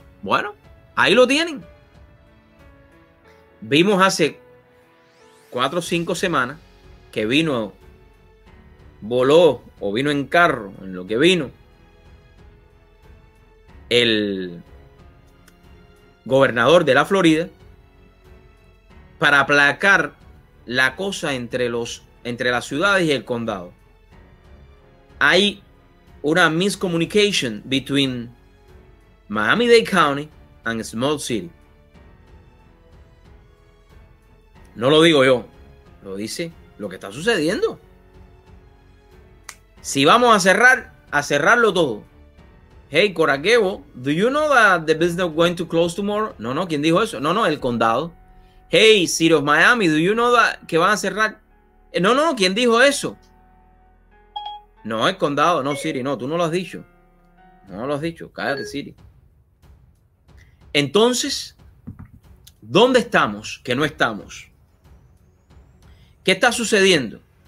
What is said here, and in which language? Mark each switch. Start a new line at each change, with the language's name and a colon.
Spanish: Bueno, ahí lo tienen. Vimos hace 4 o 5 semanas que vino en carro, en lo que vino, el gobernador de la Florida, para aplacar la cosa entre las ciudades y el condado. Hay una
English: miscommunication between Miami-Dade County and Small City.
Spanish: No lo digo yo, lo dice lo que está sucediendo. Si vamos a cerrarlo todo.
English: Hey, Coraquevo, do you know that the business going to close tomorrow?
Spanish: No, no, ¿quién dijo eso? No, no, el condado.
English: Hey, City of Miami, do you know that
Spanish: que van a cerrar? No, no, ¿quién dijo eso? No, el condado, no, City, no, tú no lo has dicho. No lo has dicho, cállate, City. Entonces, ¿dónde estamos que no estamos? ¿Qué está sucediendo?